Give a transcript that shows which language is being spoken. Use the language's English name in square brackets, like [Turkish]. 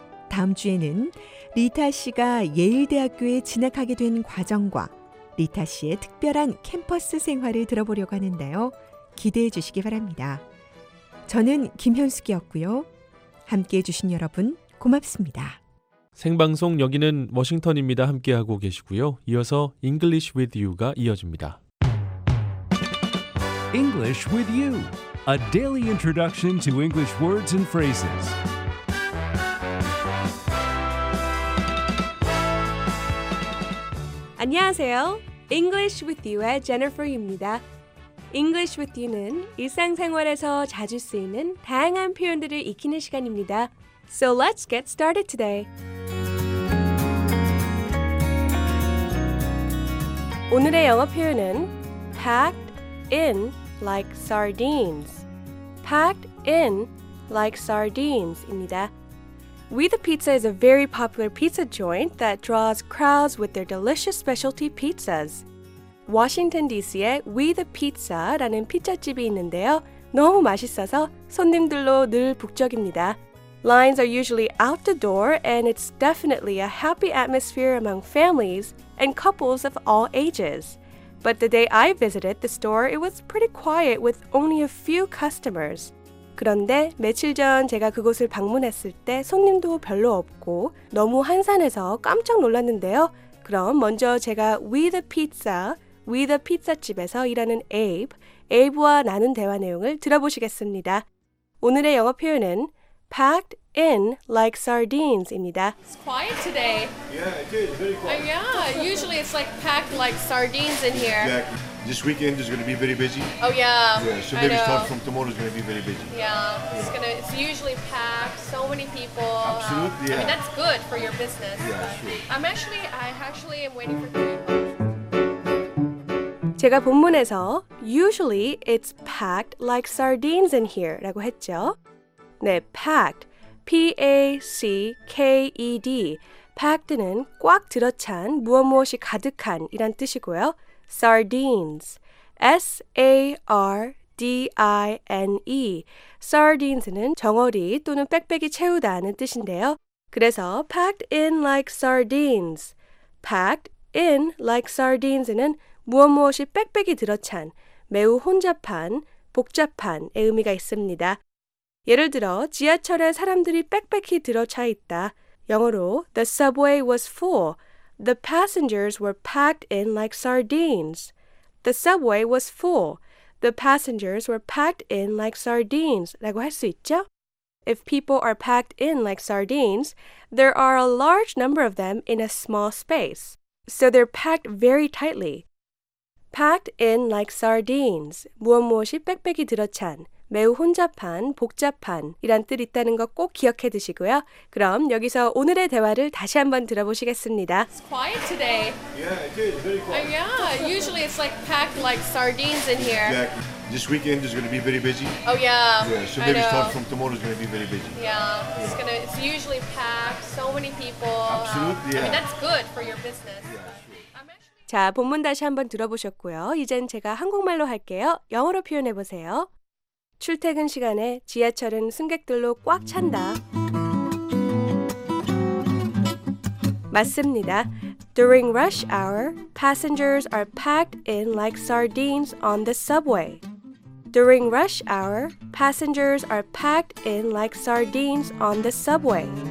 [Korean] 다음 주에는 리타 씨가 예일대학교에 진학하게 된 과정과 리타 씨의 특별한 캠퍼스 생활을 들어보려고 하는데요. 기대해 주시기 바랍니다. 저는 김현숙이었고요. 함께해 주신 여러분 고맙습니다. 생방송 여기는 워싱턴입니다. 함께하고 계시고요. 이어서 English with you가 이어집니다. [English] English with you. A daily introduction to English words and phrases. [Korean] 안녕하세요. English with you의 제니퍼입니다. English with you는 일상생활에서 자주 쓰이는 다양한 표현들을 익히는 시간입니다. [English] So let's get started today. [Korean] 오늘의 영어 표현은 [English] packed in like sardines. Packed in like sardines입니다. We the Pizza is a very popular pizza joint that draws crowds with their delicious specialty pizzas. [Korean] Washington DC에 We the Pizza라는 피자집이 있는데요. 너무 맛있어서 손님들로 늘 북적입니다. [English] Lines are usually out the door and it's definitely a happy atmosphere among families and couples of all ages. But the day I visited the store, it was pretty quiet with only a few customers. [Korean] 그런데 며칠 전 제가 그곳을 방문했을 때 손님도 별로 없고 너무 한산해서 깜짝 놀랐는데요. 그럼 먼저 제가 We the Pizza집에서 일하는 Abe와 나눈 대화 내용을 들어보시겠습니다. 오늘의 영어 표현은 [English] packed in like sardines [Korean] 입니다. [English] It's quiet today. Yeah, it is very quiet. Usually it's like packed like sardines in here. Exactly. This weekend is going to be very busy. Oh yeah. Yeah. So maybe start from tomorrow is going to be very busy. It's usually packed. So many people. Absolutely. Yeah. I mean that's good for your business. Yeah, sure. I actually am waiting for three. [Korean] 제가 본문에서 [English] usually it's packed like sardines in here [Korean] 라고 했죠. 네, packed, P-A-C-K-E-D, packed는 꽉 들어찬, 무엇무엇이 가득한 이란 뜻이고요. sardines, S-A-R-D-I-N-E, sardines는 정어리 또는 빽빽이 채우다는 뜻인데요. 그래서 [English] packed in like sardines, [Korean] packed in like sardines는 무엇무엇이 빽빽이 들어찬, 매우 혼잡한, 복잡한의 의미가 있습니다. 예를 들어 지하철에 사람들이 빽빽히 들어차 있다. [English] 영어로 The subway was full. The passengers were packed in like sardines. The subway was full. The passengers were packed in like sardines. [Korean] 라고 할 수 있죠? [English] If people are packed in like sardines, there are a large number of them in a small space. So they're packed very tightly. Packed in like sardines. [Korean] 무엇무엇이 빽빽이 들어찬. 매우 혼잡한, 복잡한 이란 뜻 있다는 거 꼭 기억해 드시고요. 그럼 여기서 오늘의 대화를 다시 한번 들어보시겠습니다. It's quiet today. Yeah, it is very quiet. Yeah, usually it's like packed like sardines in here. Exactly. This weekend is going to be very busy. Oh yeah. Yeah, so maybe start from tomorrow is going to be very busy. Yeah, it's going to, it's usually packed, so many people. Absolutely. Yeah. I mean, that's good for your business. Yeah. 자, 본문 다시 한번 들어보셨고요. 이젠 제가 한국말로 할게요. 영어로 표현해 보세요. 출퇴근 시간에 지하철은 승객들로 꽉 찬다. 맞습니다. [English] During rush hour, passengers are packed in like sardines on the subway. During rush hour, passengers are packed in like sardines on the subway.